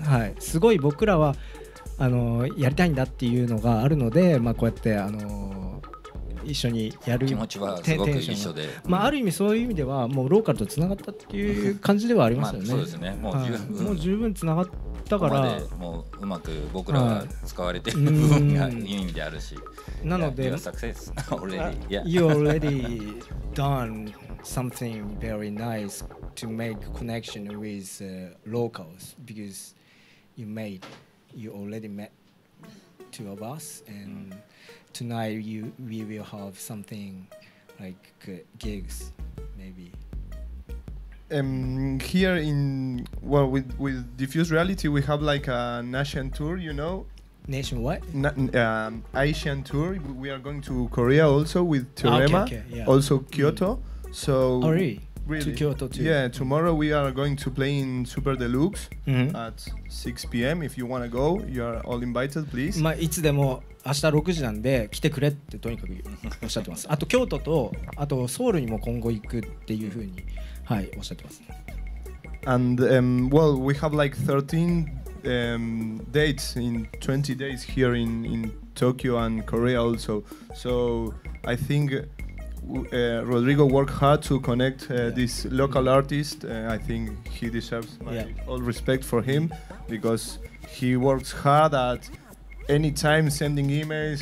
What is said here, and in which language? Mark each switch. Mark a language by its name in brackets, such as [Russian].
[Japanese] はい、すごい僕らはやりたいんだっていうのがあるので、まあ、こうやって一緒にやる気持ちはすごく一緒で、まあ、ある意味そういう意味ではもうローカルとつながったっていう感じではありますよね、まあ、そうですね、もう十分、はい、もう十分つながったから、ここまでもううまく僕らが使われてる部分がいい意味であるし、なので [English] You're success already、 yeah. You already done something very nice to make connection with locals, because you already met two of us, and tonight we will have something like gigs maybe. Here in, well, with Diffuse Reality we have like an Asian tour, you know? Nation what? Asian tour. We are going to Korea also with Teorema, yeah. Also Kyoto. So oh, really? To Kyoto too. Yeah, tomorrow we are going to play in Super Deluxe at 6 p.m. If you want to go, you are all invited, please. [Japanese] まあいつでも明日6時なんで来てくれってとにかくおっしゃってます。あと京都とあとソウルにも今後行くっていうふうに、はい、おっしゃってます。 [English] And well, we have like 13 dates in 20 days here in Tokyo and Korea also. So I think Rodrigo worked hard to connect this local artist. I think he deserves my all respect for him because he works hard at any time sending emails.